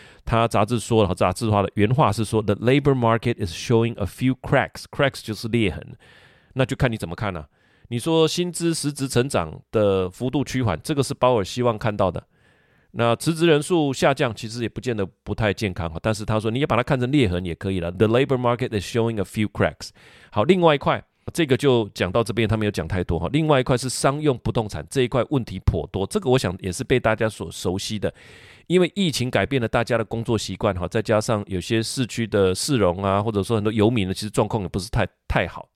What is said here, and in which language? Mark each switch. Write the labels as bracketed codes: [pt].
[zh] 他杂志说了，杂志化的原话是说 [en] The labor market is showing a few cracks， [zh] cracks 就是裂痕，那就看你怎么看啊。你说薪资实质成长的幅度趋缓，这个是鲍尔希望看到的。那辞职人数下降其实也不见得不太健康，但是他说你也把它看成裂痕也可以了。 [en] The labor market is showing a few cracks。 [zh] 好，另外一块这个就讲到这边，他没有讲太多。另外一块是商用不动产，这一块问题颇多，这个我想也是被大家所熟悉的，因为疫情改变了大家的工作习惯，再加上有些市区的市容啊，或者说很多游民呢，其实状况也不是 太好。